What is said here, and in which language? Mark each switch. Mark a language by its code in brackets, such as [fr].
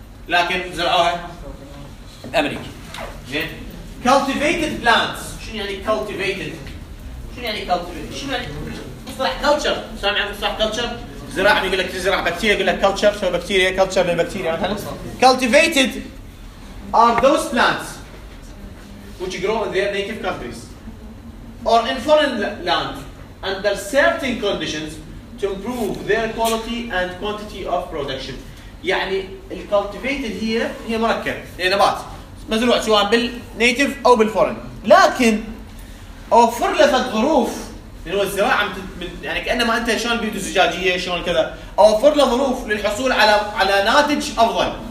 [ar] لكن زرعوها امريكا. زين cultivated plants شنو يعني cultivated؟ شنو يعني [en] Cultivated? [ar] شنو يعني مصطلح كالتشر؟ سامع مصطلح كالتشر؟ زراعة يقول لك تزرع بكتيريا يقول لك كالتشر، سوي بكتيريا كالتشر للبكتيريا. [en] Cultivated are those plants which grow in their native countries or in foreign land under certain conditions to improve their quality and quantity of production. [ar] يعني الكالتيفيتد هي مركب، هي نبات مزروع سواء بالنيتف او بالفورن، لكن اوفر له فد ظروف اللي هو الزراعه يعني كانما انت شلون بيوت زجاجيه شلون كذا، اوفر له ظروف للحصول على ناتج افضل.